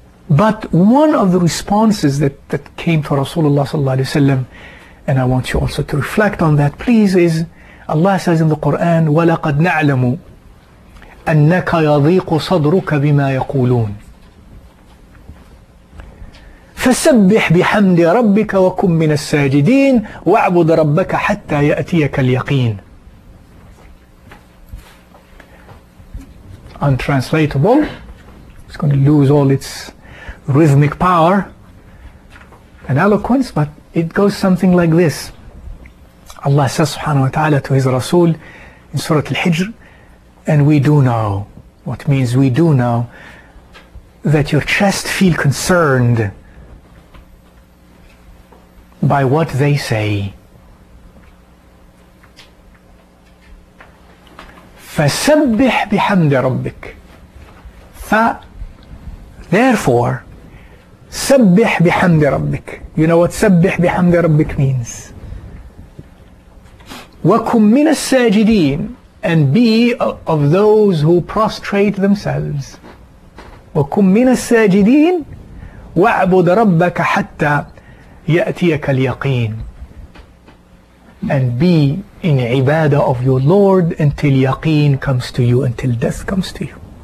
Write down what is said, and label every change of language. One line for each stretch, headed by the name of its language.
English: But one of the responses that came to Rasulullah sallallahu alayhi wa sallam, and I want you also to reflect on that, please, is Allah says in the Quran,
Arabic: وَلَقَدْ نَعْلَمُ أَنَّكَ يَضِيقُ صَدْرُكَ بِمَا يَقُولُونَ. فسبح بحمد ربك وكن من الساجدين واعبد ربك حتى يأتيك اليقين.
English: Untranslatable, it's going to lose all its rhythmic power and eloquence, but it goes something like this. Allah says subhanahu wa ta'ala to his Rasul in Surah Al-Hijr, and we do know, what means we do know, that your chest feel concerned by what they say.
Arabic: فَسَبِّحْ بِحَمْدِ رَبِّكَ
English: Therefore,
Arabic: سَبِّحْ بِحَمْدِ رَبِّكَ.
English: You know what
Arabic: سَبِّحْ بِحَمْدِ رَبِّكَ
English: means.
Arabic: وَكُمْ مِنَ السَّاجِدِينَ,
English: and be of those who prostrate themselves.
Arabic: وَكُمْ مِنَ السَّاجِدِينَ وَاعْبُدْ رَبَّكَ حَتَّى يَأْتِيَكَ الْيَقِينَ,
English: and be in ibadah of your Lord until yaqeen comes to you, until death comes to you.